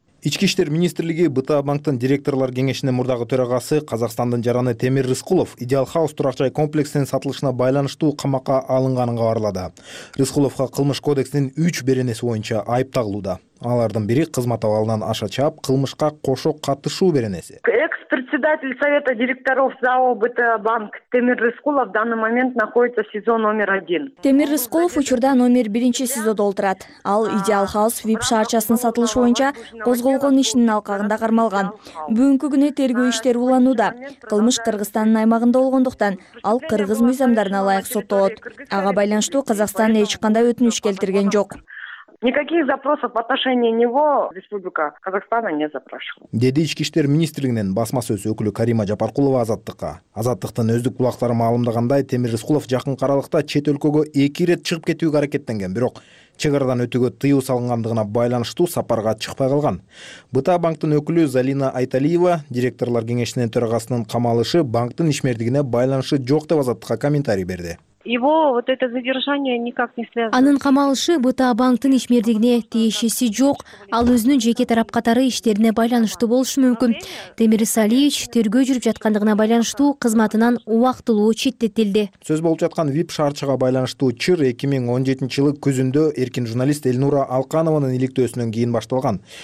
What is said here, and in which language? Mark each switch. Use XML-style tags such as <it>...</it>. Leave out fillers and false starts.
<ky>Ички иштер министрлиги БТА банктын директорлор кеңешинин мурдагы төрагасы Казакстандын жараны Темир Рыскулов Идеал Хаус турак жай комплексинин сатылышына байланыштуу камакка алынганын кабарлады. Рыскуловго кылмыш кодексинин 3 беренеси боюнча айып тагылууда. Алардын бири кызмат абалынан аша чаап кылмышка кошо катышуу беренеси.</ky> <ru>Председатель Совета директоров ЗАО БТА Банк Темир Рыскулов в данный момент находится в СИЗО номер 1.</ru> <ky>Темир Рыскулов учурда номер 1 СИЗО долтурат. Ал Идеал Хаус VIP шарчасын сатылыш боюнча козголгон ишинин алкагында кармалган. Бүгүнкү күнү тергөө иштери уланууда. Кылмыш Кыргызстандын аймагында болгондуктан ал кыргыз мыйзамдарына ылайык соттолот. Ага байланыштуу Казакстан эч кандай өтүнүч келтирген жок.</ky> <ru>Никаких запросов в отношении него Республика Казахстана не запрашивала.</ru> <ky>Деди ички иштер министрлигинин басма сөз өкүлү Карима Жапаркулова Азаттыкка. Азаттыктын өздүк кулактары маалымдагандай Темир Рыскулов жакын аралыкта чет өлкөгө 2 ирет чыгып кетүүгө аракеттенген, бирок чек арадан өтүүгө тыюу салынгандыгына байланыштуу сапарга чыкпай калган. БТА банктын өкүлү Залина Айталиева директорлор кеңешинин төрагасынын камалышы банктын ишмердигине байланышы жок деп Азаттыкка комментарий берди.</ky> <ru>Его вот это задержание никак не связано.</ru> <ky>Анын камалышы БТА банктын ишмердигине тиешеси жок, ал өзүнүн жеке тарап катары иштерине байланыштуу болушу мүмкүн. Темир Салиевич тергөө жүрүп жаткандыгына байланыштуу кызматынан убактылуу четтетилди. Сөз болуп жаткан VIP шарчага байланыштуу чыр 2017 жылы күзүндө эркин журналист Элнура Алканованын иликтөөсүнөн кийин башталган.</ky>